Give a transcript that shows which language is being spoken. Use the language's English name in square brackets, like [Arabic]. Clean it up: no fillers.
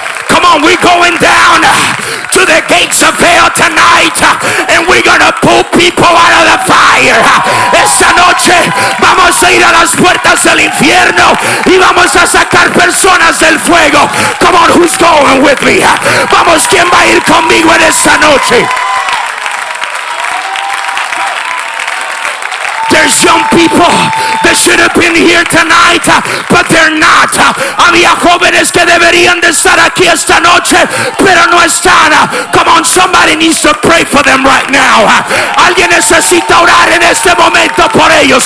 [English] Come on, we're going down to the gates of hell tonight, and we're gonna pull people out of the fire. [Spanish] Esa noche vamos a ir a las puertas del infierno y vamos a sacar personas del fuego. [English] Come on, who's going with me? [Spanish] Vamos, ¿quién va a ir conmigo en esa noche? [English] There's young people that should have been here tonight, but they're not. [Spanish] Había jóvenes que deberían de estar aquí esta noche, pero no están. [English] Come on, somebody needs to pray for them right now. [Spanish] Alguien necesita orar en este momento por ellos.